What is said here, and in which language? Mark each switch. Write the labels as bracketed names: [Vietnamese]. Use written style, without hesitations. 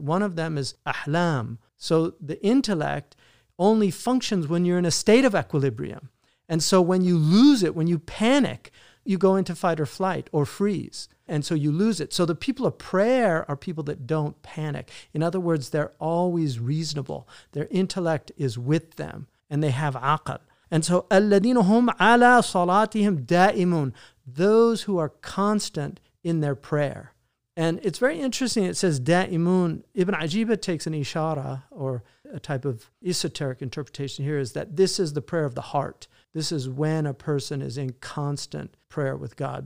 [English] One of them is ahlam. So the intellect only functions when you're in a state of equilibrium. And so when you lose it, when you panic, you go into fight or flight or freeze. And so you lose it. So the people of prayer are people that don't panic. In other words, they're always reasonable. Their intellect is with them and they have aqal. And so, [Arabic] الَّذِينَ هُمْ عَلَىٰ صَلَاتِهِمْ دَائِمُونَ. [English] Those who are constant in their prayer. And it's very interesting, it says da'imun. Ibn Ajiba takes an ishara, or a type of esoteric interpretation here, is that this is the prayer of the heart. This is when a person is in constant prayer with God.